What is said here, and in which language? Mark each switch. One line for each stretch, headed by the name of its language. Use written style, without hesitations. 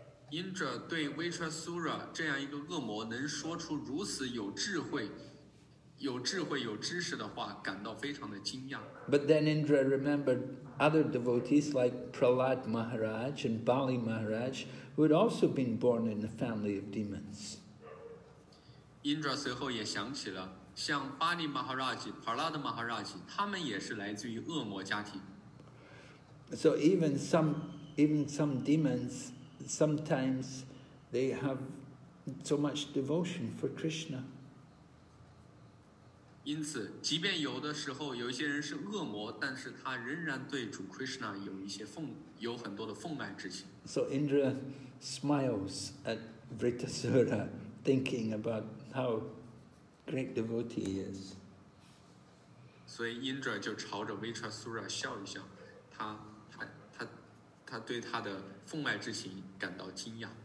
Chinese: Indra 对 Vritrasura 这样一个恶魔能说出如此有智慧、有知识的话，感到非常的惊讶。
English: But then Indra remembered other devotees like Prahlad Maharaj and Bali Maharaj, who had also been born in a family of demons.
Chinese: Indra 随后也想起了像巴利马哈拉吉、普拉德马哈拉吉，他们也是来自于恶魔家庭。
English: So even some demons, sometimes they have so much devotion for Krishna.
Chinese: 因此，即便有的时候有一些人是恶魔，但是他仍然对主 Krishna 有很多的奉爱之情。
English: So Indra smiles at Vritrasura, thinking about how great devotee he is.
Chinese: 所以 Indra 就朝着 Vritrasura 笑一笑，他对他的奉爱之情感到惊讶。